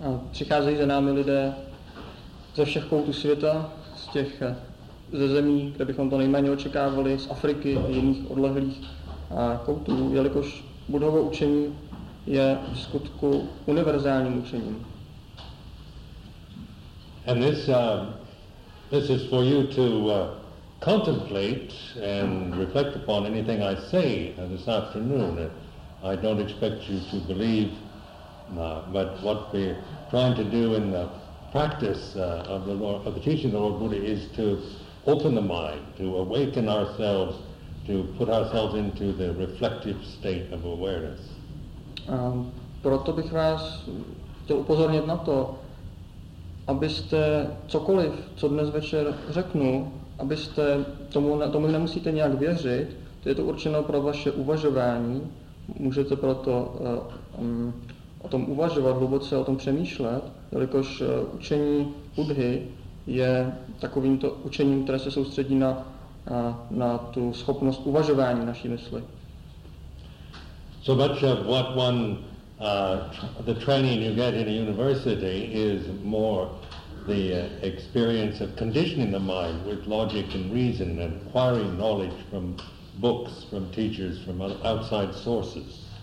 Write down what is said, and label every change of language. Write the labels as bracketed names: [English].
[Czech] Přicházejí za námi lidé ze všech koutů světa, ze zemí, kde bychom to nejméně očekávali, z Afriky a jiných odlehlých koutů, jelikož Buddhovo učení je v skutku univerzálním učením. [English] And this is for you to contemplate and reflect upon anything I say this afternoon. I don't expect you to believe. But what we're trying to do in the practice of the teaching of the Lord Buddha is to open the mind, to awaken ourselves, to put ourselves into the reflective state of awareness. [Czech] Proto bych vás chtěl upozornit na to, abyste cokoliv, co dnes večer řeknu, abyste tomu nemusíte nějak věřit, to je to určeno pro vaše uvažování, můžete proto o tom uvažovat, hluboce o tom přemýšlet, jelikož učení Buddhy je takovýmto učením, které se soustředí na, na tu schopnost uvažování naší mysli. [English] So much of what one, the training you get in a university is more the experience of conditioning the mind with logic and reason and acquiring knowledge from books, from teachers, from outside sources.